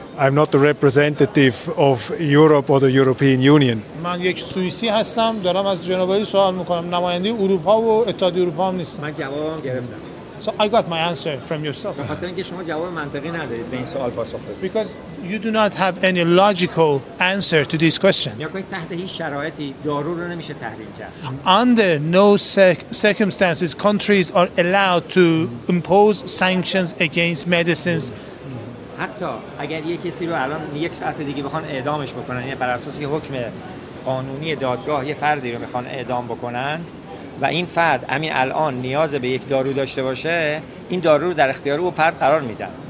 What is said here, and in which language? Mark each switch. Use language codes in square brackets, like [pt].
[en] I'm not the representative of Europe or the European Union. [fa] من یک سوئیسی هستم، دارم از جنوبی سوال میکنم، نماینده اروپا و اتحاد اروپا هم نیستم. من جواب گرفتم. [en] So I got my answer from yourself. [fa] به خاطر اینکه شما جواب منطقی ندارید به این سوال پاسخ بدید. [en] Because you do not have any logical answer to this question. [fa] یا که تحت هیچ شرایطی دارو رو نمیشه تحریم کرد. [en] Under no circumstances countries are allowed to impose sanctions against medicines. [fa] حتی اگر یک کسی رو الان یک ساعت دیگه بخوان اعدامش بکنن، یعنی بر اساس یه حکم قانونی دادگاه یه فردی رو میخوان اعدام بکنن و این فرد همین الان نیاز به یک دارو داشته باشه، این دارو رو در اختیار او فرد قرار میدن.